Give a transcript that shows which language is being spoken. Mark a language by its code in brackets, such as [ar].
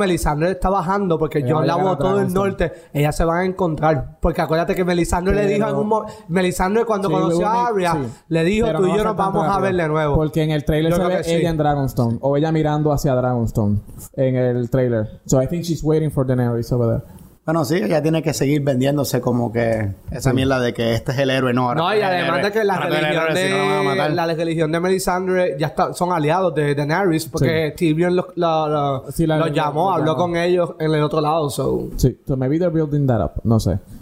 [es] Melisandre está bajando porque Jon la botó del norte. Ella se va a encontrar. Porque acuérdate que Melisandre le dijo en un momento. Melisandre, cuando conoció a Arya, le dijo: tú y yo nos vamos a ver de nuevo. Porque en el trailer se ve ella en Dragonstone. O ella mirando hacia Dragonstone. En el trailer. [en] So I think she's waiting for Daenerys over there. [es] Bueno, sí, ella tiene que seguir vendiéndose como que esa mierda de que este es el héroe, ¿no? No, y además de que la religión de Melisandre ya está, son aliados de Daenerys porque Tyrion los llamó, habló con ellos en el otro lado, so... [en] Sí, so maybe they're building that up, [es] no sé.